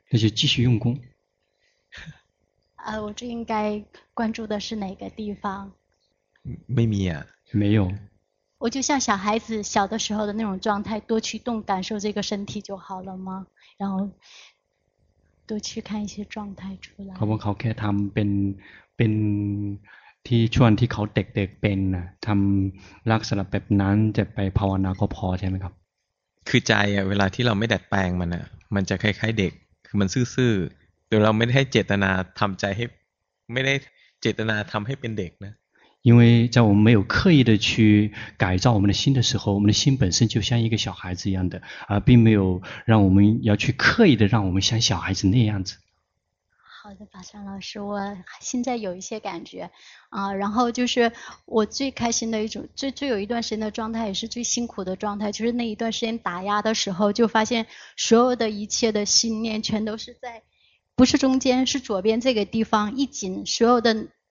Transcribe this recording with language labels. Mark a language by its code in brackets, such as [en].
[zh] 那就继续用功。我这应该关注的是哪个地方？ [th] ไม่มีอ่ะ [zh] 没有。我就像小孩子小的时候的那种状态，多去动，感受这个身体就好了吗？然后。多去看一些状态出来 [th] เขาบอกเขาแค่ทำเป็นที่ช่วงที่เขาเด็กเป็นนะทำลักษณะแบบนั้นจะไปภาวนาก็พอใช่ไหมครับ คือใจอ่ะเวลาที่เราไม่ดัดแปลงมันอ่ะมันจะคล้ายๆเด็กคือมันซื่อๆโดยเราไม่ได้เจตนาทำใจให้ไม่ได้เจตนาทำให้เป็นเด็กนะ [zh] 因为在我们没有刻意的去改造我们的心的时候，我们的心本身就像一个小孩子一样的，而并没有让我们要去刻意的让我们像小孩子那样子。好的，法善老师，我现在有一些感觉，然后就是我最开心的一种，最有一段时间的状态，也是最辛苦的状态，就是那一段时间打压的时候，就发现所有的一切的心念全都是在，不是中间，是左边这个地方一紧，所有的。